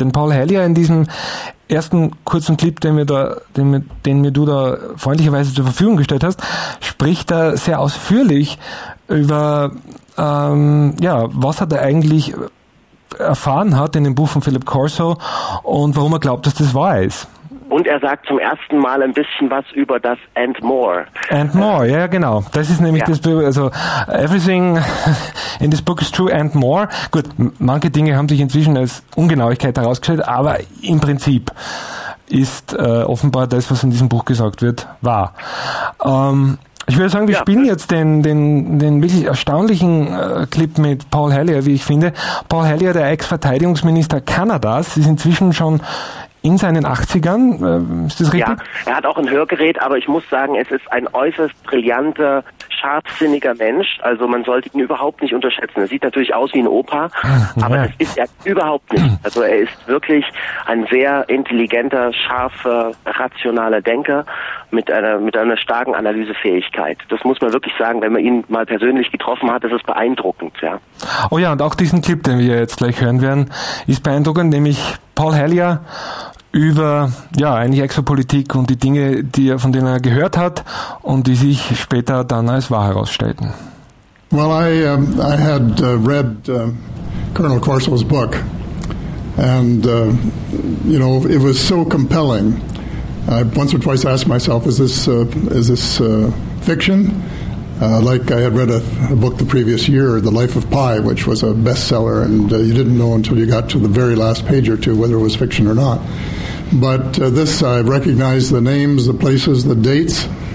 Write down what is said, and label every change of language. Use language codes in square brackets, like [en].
[de] Denn Paul Hellier in diesem ersten kurzen Clip, den du da freundlicherweise zur Verfügung gestellt hast, spricht da sehr ausführlich über, was hat er eigentlich erfahren hat in dem Buch von Philip Corso und warum er glaubt, dass das wahr ist. Und er sagt zum ersten Mal ein bisschen was über das [en] and more. And more, [de] ja genau. Das ist nämlich ja. Das, also [en] everything in this book is true and more. [de] Gut, manche Dinge haben sich inzwischen als Ungenauigkeit herausgestellt, aber im Prinzip ist offenbar das, was in diesem Buch gesagt wird, wahr. Ich würde sagen, wir spielen jetzt den wirklich erstaunlichen Clip mit Paul Hellier, wie ich finde. Paul Hellier, der Ex-Verteidigungsminister Kanadas, ist inzwischen schon in seinen 80ern, ist das richtig? Ja, er hat auch ein Hörgerät, aber ich muss sagen, es ist ein äußerst brillanter, scharfsinniger Mensch. Also man sollte ihn überhaupt nicht unterschätzen. Er sieht natürlich aus wie ein Opa, aber das ist er überhaupt nicht. Also er ist wirklich ein sehr intelligenter, scharfer, rationaler Denker mit einer starken Analysefähigkeit. Das muss man wirklich sagen, wenn man ihn mal persönlich getroffen hat, das ist beeindruckend. Ja. Oh ja, und auch diesen Clip, den wir jetzt gleich hören werden, ist beeindruckend, nämlich Paul Hellier über eigentlich Exopolitik und die Dinge, die er von denen er gehört hat und die sich später dann als wahr herausstellten. [en] Well, I had read Colonel Corso's book, and you know, it was so compelling. I once or twice asked myself, is this fiction? Like I had read a book the previous year, The Life of Pi, which was a bestseller, and you didn't know until you got to the very last page or two whether it was fiction or not. But this, I recognized the names, the places, the dates.